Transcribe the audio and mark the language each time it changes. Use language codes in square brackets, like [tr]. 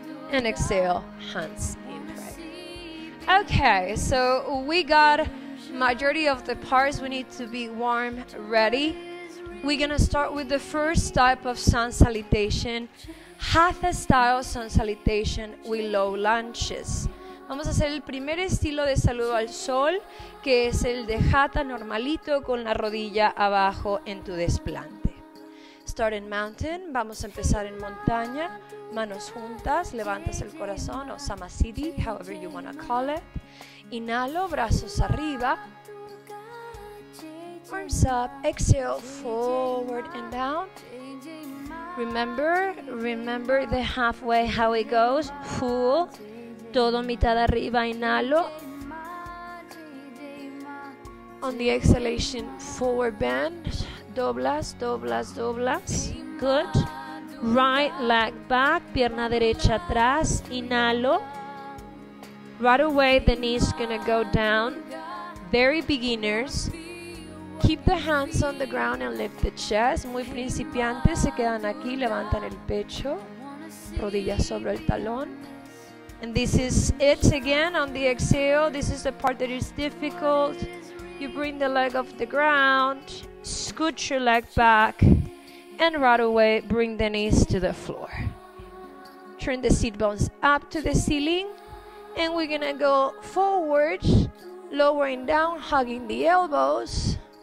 [en] And exhale, hands in prayer. Okay, so we got majority of the parts. We need to be warm, ready. We're gonna start with the first type of sun salutation. Half a style sun salutation with low lunges. [es] Vamos a hacer el primer estilo de saludo al sol, que es el de Hatha normalito con la rodilla abajo en tu desplante. [en] Start in mountain, [es] vamos a empezar en montaña. Manos juntas, levantas el corazón o Samasiddhi, [en] however you wanna call it. [es] Inhalo, brazos arriba. [en] Arms up, exhale, forward and down. Remember the halfway, how it goes, full, [es] todo mitad arriba, inhalo. [en] On the exhalation, forward bend, [es] doblas, doblas, doblas, [en] good. Right leg back, [es] pierna derecha atrás, inhalo. [en] Right away, the knee's gonna go down, very beginners. Keep the hands on the ground and lift the chest. [es] Muy principiantes, se quedan aquí, levantan el pecho, rodillas sobre el talón. [en] And this is it again on the exhale. This is the part that is difficult. You bring the leg off the ground, scoot your leg back, and right away, bring the knees to the floor. Turn the seat bones up to the ceiling, and we're gonna go forward, lowering down, hugging the elbows.